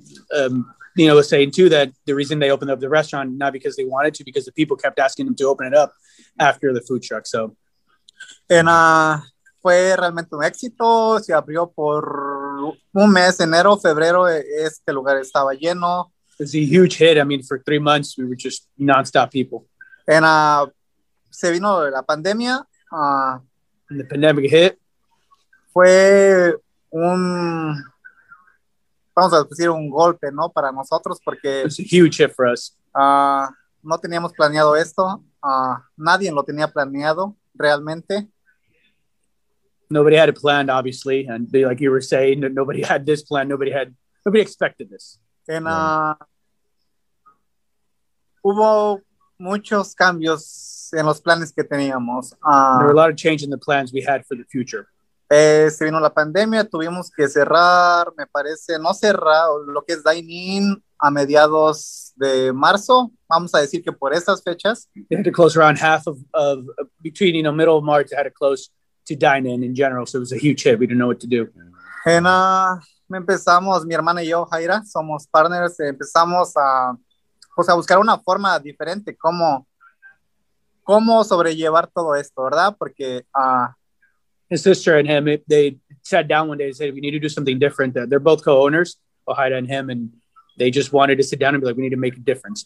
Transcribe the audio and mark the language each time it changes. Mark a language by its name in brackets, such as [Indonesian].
[English] And Nino was saying too that the reason they opened up the restaurant, not because they wanted to, because the people kept asking them to open it up after the food truck. So, [Spanish] and fue realmente un éxito. Se abrió por un mes, enero, febrero, este lugar estaba lleno. [English] It's a huge hit. I mean, for 3 months, we were just nonstop people. [Spanish] And se vino la pandemia. [English] And the pandemic hit. [Spanish] Fue un, vamos a decir, un golpe, ¿no? Para nosotros, porque [English] it was a huge hit for us. [Spanish] No teníamos planeado esto. Nadie lo tenía planeado, realmente. [English] Nobody had it planned, obviously. And they, like you were saying, nobody had this plan. Nobody expected this. [Spanish] And hubo muchos cambios en los planes que teníamos. [English] There were a lot of change in the plans we had for the future. [Spanish] Se vino la pandemia, tuvimos que cerrar, me parece, no cerrar, lo que es dine-in a mediados de marzo. Vamos a decir que por estas fechas. [English] They had to close around half of between, you know, middle of March, they had to close to dine-in in general. So it was a huge hit. We didn't know what to do. [Spanish] And empezamos, mi hermana y yo, Jaira, somos partners, empezamos a pues a buscar una forma diferente, cómo sobrellevar todo esto, ¿verdad? Porque [English] his sister and him, they sat down one day and said, we need to do something different. They're both co-owners, Ojeda and him, and they just wanted to sit down and be like, we need to make a difference.